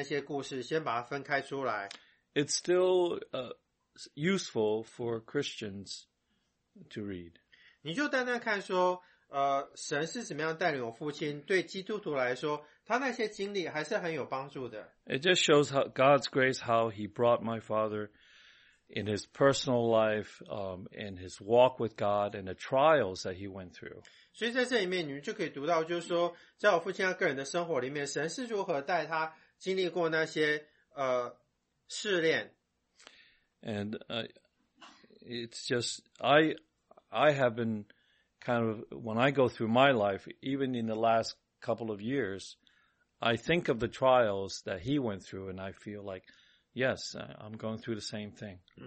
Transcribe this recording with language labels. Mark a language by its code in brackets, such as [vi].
[zh] 然后我觉得就是说你在看这本自传的时候啊，你就是说先把我们家的那些故事先把它分开出来。 [en] It's still useful for Christians to read. [zh] 你就单单看说神是怎么样带领我父亲，对基督徒来说，他那些经历还是很有帮助的。 [en] It just shows how God's grace, how he brought my father in his personal life, in his walk with God, and the trials that he went through. [zh] 所以在这里面，你们就可以读到，就是说，在我父亲个人的生活里面，神是如何带他经历过那些试炼。And [en] it's just I have been kind of when I go through my life, even in the last couple of years, I think of the trials that he went through, and I feel like, yes, I'm going through the same thing.